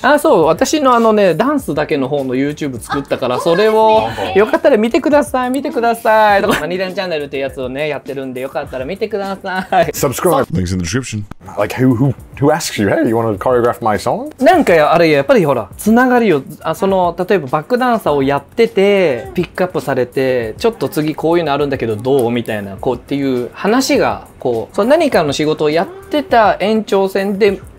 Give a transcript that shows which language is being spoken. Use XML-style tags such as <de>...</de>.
<ja>あ、そう、私のあのね、ダンスだけの方の YouTube 作ったから、それをよかったら見てください、見てください。とか、マニダンチャンネルってやつをね、やってるんで、よかったら見てください。</ja> <en>Subscribe! Links in the description. Like, who asks you, hey, you want to choreograph my song?</en> <ja>なんか、あれ、やっぱりほら、つながりを、あ、その、例えばバックダンサーをやってて、ピックアップされて、ちょっと次こういうのあるんだけど、どうみたいな、こうっていう話が、こう、その何かの仕事をやってた延長線で、</ja>